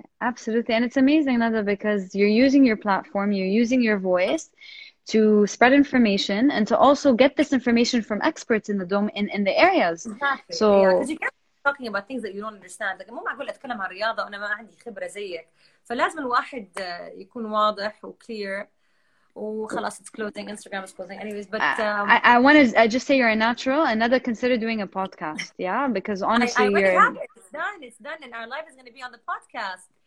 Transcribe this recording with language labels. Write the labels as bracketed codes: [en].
[en] Absolutely. And it's amazing, Nada, because you're using your platform, you're using your voice to spread information and to also get this information from experts in the dome, in the areas. Exactly. So, because you can't be talking about things that you don't understand. [ar] Like, مو معقول اتكلم عن رياضة وانا ما عندي خبرة زيك. فلازم الواحد يكون واضح وكلير. [en] وخلاص, it's closing. Instagram is closing. Anyways, but I want to just say you're a natural. Another, consider doing a podcast. Yeah, because honestly, I already have it. It's done. It's done, and our life is going to be on the podcast.